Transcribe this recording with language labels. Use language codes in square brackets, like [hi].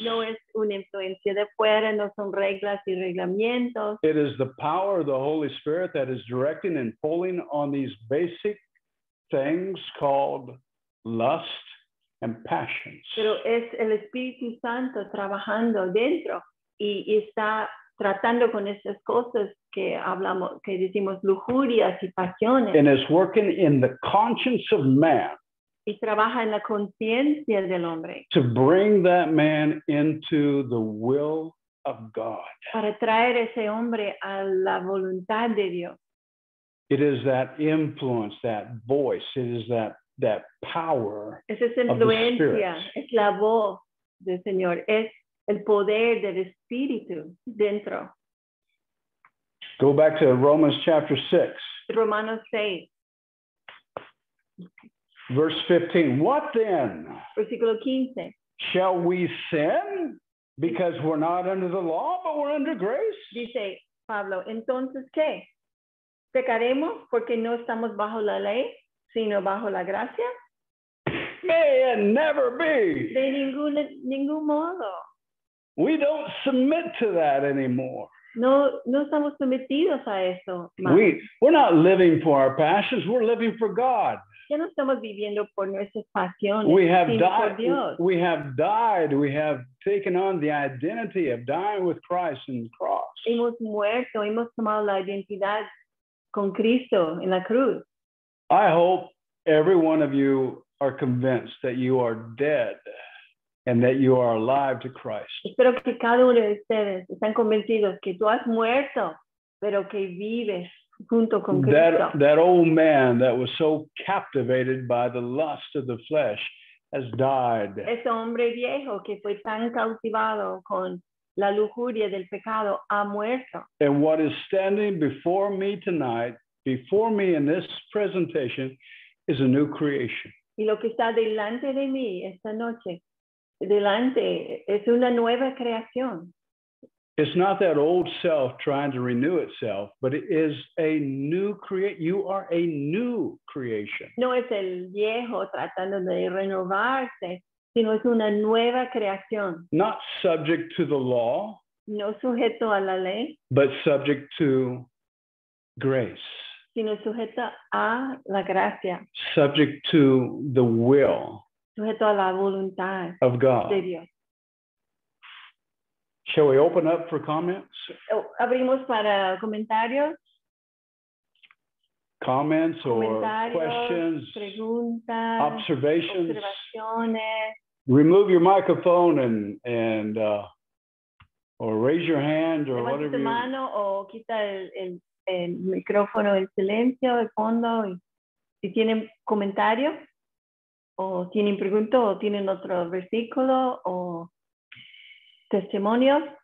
[es] No es una influencia de fuera. No son reglas y reglamentos. [en] It is the power of the Holy Spirit that is directing and pulling on these basic things called lust and passions. [es] Pero es el Espíritu Santo trabajando dentro y está tratando con esas cosas que hablamos, que decimos lujurias y pasiones. [en] And it's working in the conscience of man. [es] Y trabaja en la conciencia del hombre. [en] To bring that man into the will of God. [es] Para traer ese hombre a la voluntad de Dios. [en] It is that influence, that voice, it is that power. [es] Es esa influencia, es la voz del Señor, es el poder del Espíritu dentro. [en] Go back to Romans chapter 6. [es] Romanos 6. [en] Verse 15. What then? [es] Versículo 15. [en] Shall we sin because we're not under the law, but we're under grace? [es] Dice Pablo, ¿entonces qué? ¿Pecaremos porque no estamos bajo la ley, sino bajo la gracia? [en] May it never be. [es] De ningún modo. [en] We don't submit to that anymore. [es] No estamos sometidos a eso más. [en] We're not living for our passions, we're living for God. [es] Ya no estamos viviendo por nuestras pasiones, [en] we have died, [es] sino por Dios. [en] We have died, we have taken on the identity of dying with Christ on the cross. [es] Hemos muerto, hemos tomado la identidad con Cristo en la cruz. [en] I hope every one of you are convinced that you are dead. And that you are alive to Christ. [es] Espero que cada uno de ustedes estén convencidos que tú has muerto, pero que vives junto con Cristo. [en] That old man that was so captivated by the lust of the flesh has died. [es] Ese hombre viejo que fue tan cautivado con la lujuria del pecado ha muerto. [en] And what is standing before me tonight, before me in this presentation, is a new creation. [es] Y lo que está delante de mí esta noche. Delante es una nueva creación. [en] It's not that old self trying to renew itself, but it is a new create. You are a new creation. [es] No es el viejo tratando de renovarse, sino es una nueva creación. [en] Not subject to the law. [es] No sujeto a la ley. [en] But subject to grace. [es] Sino sujeto a la gracia. [en] Subject to the will. [es] Sujeto a la voluntad [en] of God. [es] De Dios. [en] Shall we open up for comments? [es] Abrimos para comentarios. [en] Comments or comentarios, questions, [es] preguntas, [en] observations. [es] Observaciones. [en] Remove your microphone and or raise your hand or [es] levanta [en] whatever. [es] Levanta tu mano o quita el el micrófono en silencio, de fondo, y si tienen comentarios, o tienen preguntas, o tienen otro versículo, o testimonio.